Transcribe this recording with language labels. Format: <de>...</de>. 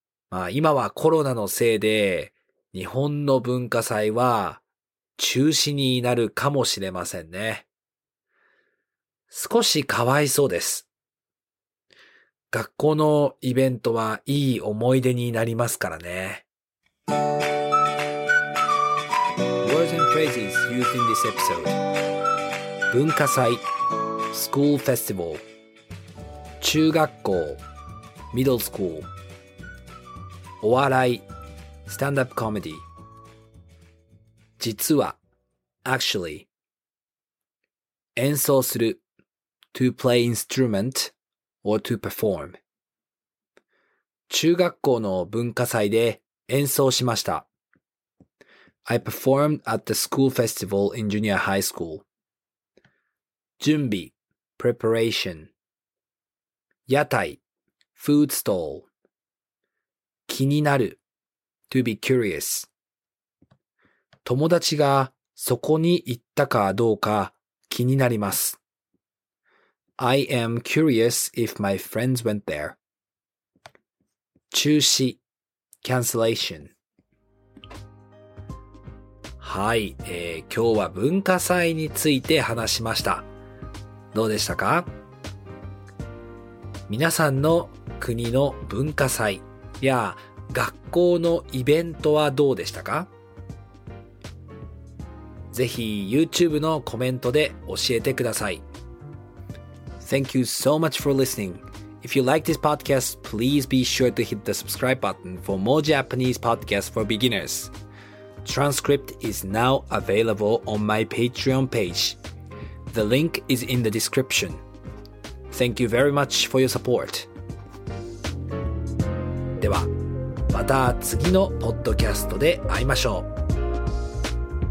<ja>まあ今はコロナのせいで、日本の文化祭は中止になるかもしれませんね。少しかわいそうです。学校のイベントはいい思い出になりますからね。</ja> <en>Words and phrases used in this episode. 文化祭 School Festival 中学校 Middle School お笑いStand up comedy. 実は actually. 演奏する to play instrument or to perform.</en> <ja>中学校の文化祭で演奏しました。</ja> <en>I performed at the school festival in junior high school. 準備 preparation. 屋台 food stall. 気になるto be curious.</en> <ja>友達がそこに行ったかどうか気になります。</ja> <en>I am curious if my friends went there. 中止 cancellation.</en> <ja>はい、今日は文化祭について話しました。どうでしたか？皆さんの国の文化祭や学校のイベントはどうでしたか？ぜひ YouTube のコメントで教えてください。</ja> <en>Thank you so much for listening. If you like this podcast, please be sure to hit the subscribe button for more Japanese podcasts for beginners. Transcript is now available on my Patreon page. The link is in the description. Thank you very much for your support.</en> <ja>では、また次のポッドキャストで会いましょう。</ja>